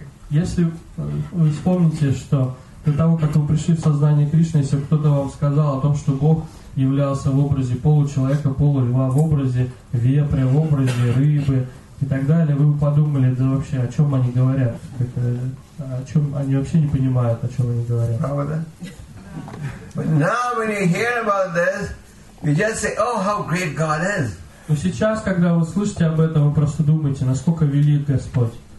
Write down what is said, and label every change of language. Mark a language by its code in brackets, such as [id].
[ru] Если вы вспомните, что до того, как вы пришли в сознание Кришны, если кто-то вам сказал о том, что Бог являлся в образе получеловека, полульва, в образе вепря, в образе рыбы и так далее, вы бы подумали, да вообще, о чем они говорят? О чем они вообще не понимают, о чем они говорят? Правда? [en] But now, when you hear about this, you just say, "Oh, how great God is." [ru] Но сейчас, когда вы слышите об этом, вы просто думаете, насколько велик Господь.